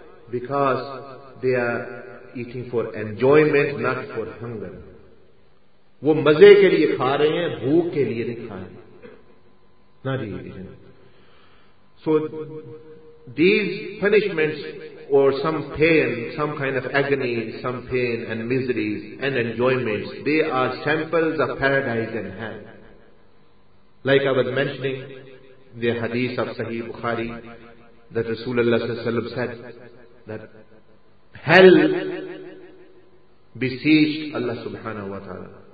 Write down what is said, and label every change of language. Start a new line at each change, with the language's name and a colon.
English: Because they are eating for enjoyment, not for hunger.
Urdu: وہ مزے کے لیے کھا رہے ہیں, بھوک کے لیے نہیں کھا رہے ہیں.
English: Not eating. So these punishments or some pain, some kind of agony, some pain and miseries and enjoyments, they are samples of paradise and hell. Like I was mentioning the hadith of Sahih Bukhari, that Rasulullah sallallahu alaihi wasallam said that hell beseeched Allah subhanahu wa ta'ala.